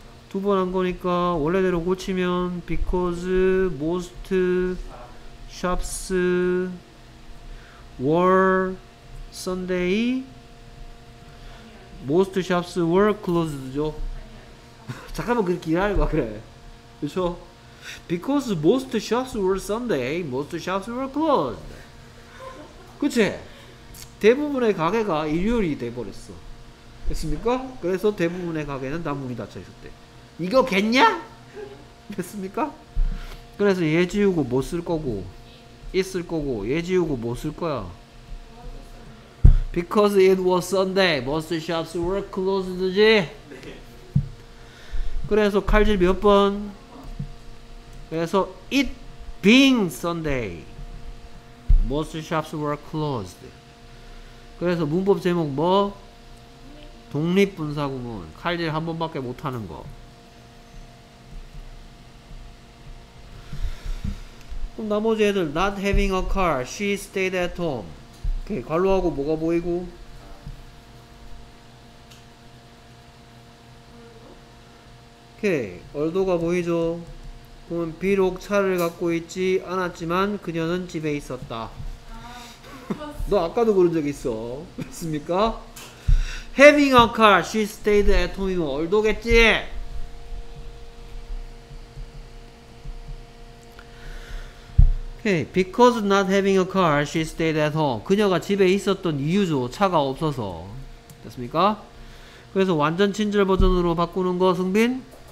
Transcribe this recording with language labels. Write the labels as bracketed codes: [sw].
[ko] 두 번 한 거니까 원래대로 고치면 [en] because most shops were Sunday. Most shops were closed죠. [ko] 잠깐만 그렇게 기다려 봐 그래. 그렇죠? [en] Because most shops were Sunday, most shops were closed. [ko] 그치? 대부분의 가게가 일요일이 돼버렸어. 됐습니까? 그래서 대부분의 가게는 다 문이 닫혀있었대. 이거 겠냐? 됐습니까? 그래서 얘 지우고 못 쓸 거고 있을 거고 얘 지우고 못 쓸 거야. [en] Because it was Sunday, most shops were closed지? [ko] 그래서 칼질 몇 번? 그래서 [en] it being Sunday, most shops were closed. [ko] 그래서 문법 제목 뭐? 독립분사구문. 칼질 한 번밖에 못하는 거. 그럼 나머지 애들 [en] not having a car, she stayed at home. [ko] 오케이, 괄호하고 뭐가 보이고? 오케이, 얼도가 보이죠? 그럼 비록 차를 갖고 있지 않았지만 그녀는 집에 있었다. 너 아까도 그런 적 있어. 그렇습니까? [en] Having a car, she stayed at home. [ko] 얼도겠지? [en] 오케이, because not having a car, she stayed at home. [ko] 그녀가 집에 있었던 이유죠. 차가 없어서. 됐습니까? 그래서 완전 친절 버전으로 바꾸는 거, 승빈?